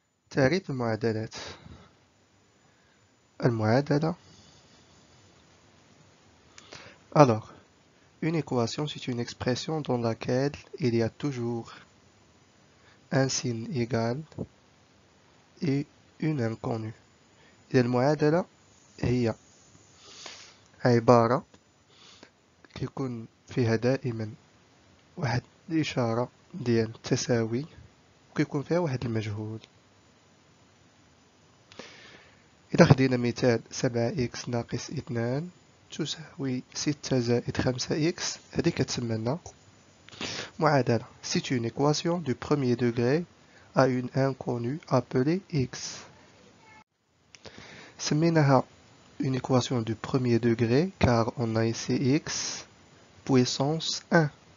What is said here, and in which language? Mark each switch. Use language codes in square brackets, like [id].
[ar] تعريف المعادلات: المعادلة [fr] Alors, une équation c'est une expression dans laquelle il y a toujours un signe égal et une inconnue. [ar] إذن المعادلة هي عبارة كيكون فيها دائما واحد الإشارة ديال التساوي وكيكون فيها واحد المجهول. إذا خدينا مثال 7x ناقص 2 تساوي 6 زائد 5x، هذه كتسمى لنا معادلة. [fr] C'est une équation du premier degré à une inconnue appelée x. [ar] سميناها [fr] une équation du premier degré car on a ici x puissance 1.